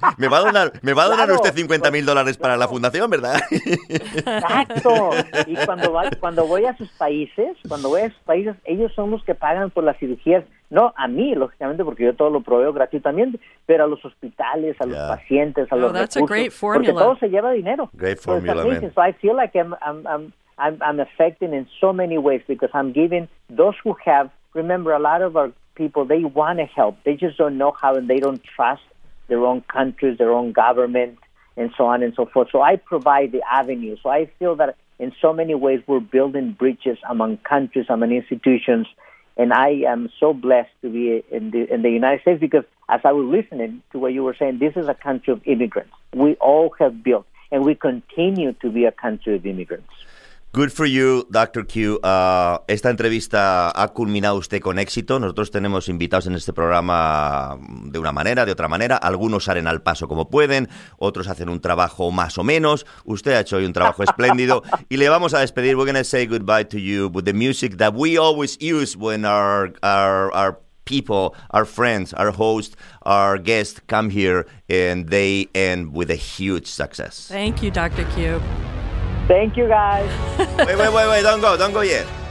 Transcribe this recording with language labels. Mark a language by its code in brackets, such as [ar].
[es] ¿Me va a donar claro, usted $50,000 para la fundación, ¿verdad? ¡Exacto! Y cuando voy a sus países, ellos son los que pagan por las cirugías. No a mí, lógicamente, porque yo todo lo proveo gratuitamente, pero a los hospitales, a los pacientes, a los recursos. [en] That's a great formula. [es] Porque todo se lleva dinero. [en] Great formula, man. So I feel like I'm affecting in so many ways because I'm giving those who have, remember, a lot of our people, they want to help. They just don't know how and they don't trust their own countries, their own government, and so on and so forth. So I provide the avenue. So I feel that in so many ways we're building bridges among countries, among institutions, and I am so blessed to be in the United States because as I was listening to what you were saying, this is a country of immigrants. We all have built, and we continue to be a country of immigrants. Good for you, Dr. Q. [es] Esta entrevista ha culminado usted con éxito. Nosotros tenemos invitados en este programa de una manera, de otra manera. Algunos salen al paso como pueden, otros hacen un trabajo más o menos. Usted ha hecho hoy un trabajo espléndido y le vamos a despedir. [en] We're going to say goodbye to you with the music that we always use when our people, our friends, our host, our guests come here and they end with a huge success. Thank you, Dr. Q. Thank you, guys. Wait, don't go yet.